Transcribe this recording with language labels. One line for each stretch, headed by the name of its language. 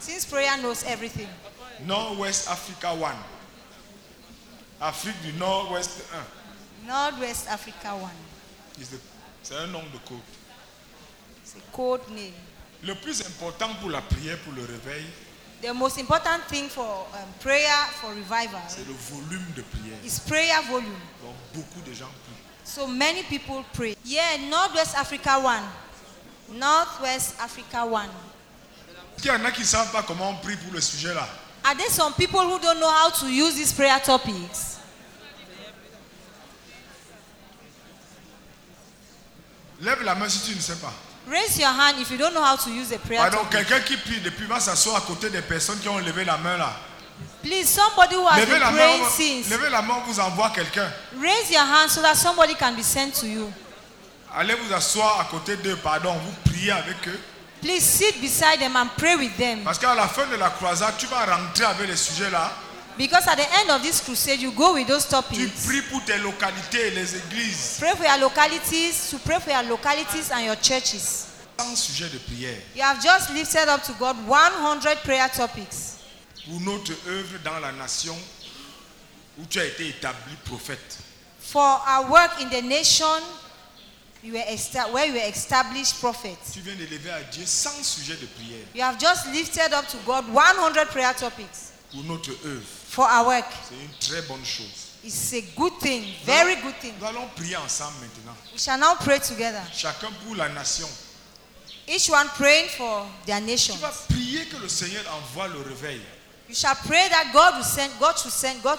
English: Since prayer knows everything. Northwest Africa 1. Afrique du Nord-Ouest 1. Northwest Africa 1.
French: C'est un nom de code.
English: It's a code name.
French: Le plus important pour la prière, pour le réveil,
English: the most important thing for prayer for revival,
French: c'est le volume de prière.
English: Is prayer volume.
French: Donc beaucoup de gens prient.
English: So many people pray. Yeah, Northwest Africa 1. Northwest Africa 1.
French: Il y en a qui ne savent pas comment on prie pour le sujet là.
English: Are there some people who don't know how to use these prayer topics?
French: Lève la main si tu ne sais pas.
English: Raise your hand if you don't know how to use a prayer.
French: Pardon, quelqu'un qui prie depuis va s'asseoir à côté des personnes qui ont levé la main là.
English: Please, somebody who has been praying since.
French: Levez la main, vous envoie quelqu'un.
English: Raise your hand so that somebody can be sent to you.
French: Allez vous asseoir à côté d'eux, pardon, vous priez avec eux.
English: Please sit beside them and pray with them.
French: Parce qu'à la fin de la croisade, tu vas rentrer avec les sujets là.
English: Because at the end of this crusade, you go with those topics.
French: Tu pries pour tes localités, les églises.
English: Pray for your localities. To pray for your localities and your churches.
French: Un sujet de prière.
English: You have just lifted up to God 100 prayer topics.
French: Pour notre œuvre dans la nation où tu as été établi prophète.
English: For our work in the nation, you were where you were established prophet.
French: Tu viens d'élever à Dieu 100 sujets de prière.
English: You have just lifted up to God 100 prayer topics.
French: Pour notre œuvre.
English: For our work.
French: C'est une très bonne chose.
English: It's a good thing, very good thing.
French: Nous allons prier ensemble maintenant.
English: We shall now pray together.
French: Chacun pour la nation.
English: Each one praying for their nation.
French: Tu vas prier que le Seigneur envoie le réveil.
English: You shall pray that God will send, God should send, God